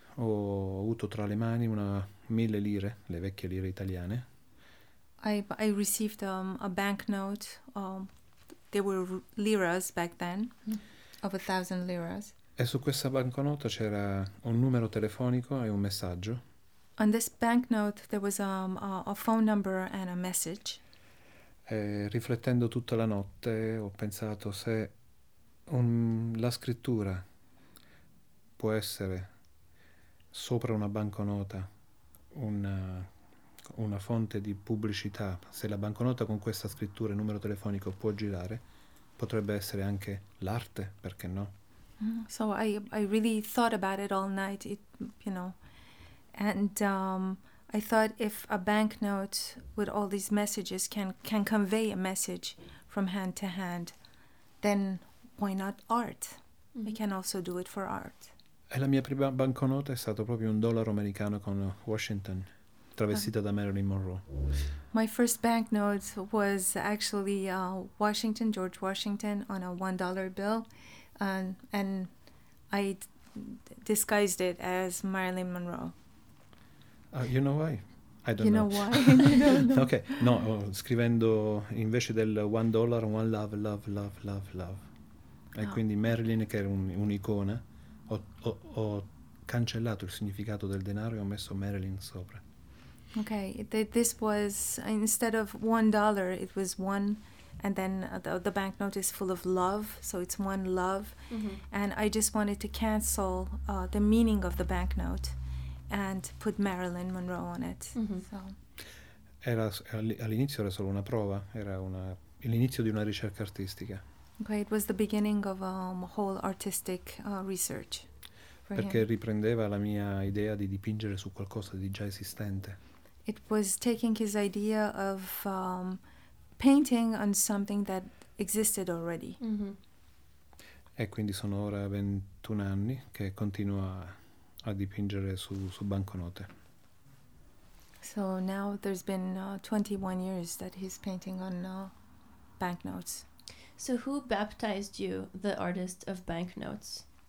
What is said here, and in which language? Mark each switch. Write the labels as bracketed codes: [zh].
[it] Ho avuto tra le mani una 1000 lire, le vecchie lire italiane. [en] I received a banknote. There were liras back then, of 1000 liras. [it] E su questa banconota c'era un numero telefonico e un messaggio. [en] On this banknote there was a phone number and a message. [it] Riflettendo tutta la notte ho pensato se la scrittura può essere sopra una banconota una fonte di pubblicità, se la banconota con questa scrittura e numero telefonico può girare, potrebbe essere anche l'arte, perché no? [en] So I really thought about it all night, And I thought if a banknote with all these messages can convey a message from hand to hand, then why not art? Mm-hmm. We can also do it for art. [it] E la mia prima banconota è stato proprio un dollaro americano con Washington, travestita da Marilyn Monroe. [en] My first banknote was actually Washington, George Washington, on a $1 bill, and I disguised it as Marilyn Monroe. You know why? I don't know. [it] No. Okay, no, scrivendo invece del $1, [en] one love. [it] E quindi Marilyn, che era un'icona, ho cancellato il significato del denaro e ho messo Marilyn sopra. [en] Okay, this was, instead of $1, it was one, and then the banknote is full of love, so it's one love. Mm-hmm. And I just wanted to cancel the meaning of the banknote. And put Marilyn Monroe on it. [it] All'inizio era solo una prova, era l'inizio di una ricerca artistica. [en] Okay, it was the beginning of a whole artistic research. [it] Perché riprendeva la mia idea di dipingere su qualcosa di già esistente. [en] It was taking his idea of painting on something that existed already. [it] E quindi sono ora 21 anni che continua a dipingere su banconote. [en] So now there's been 21 years that he's painting on banknotes. So who baptized you, the artist of banknotes?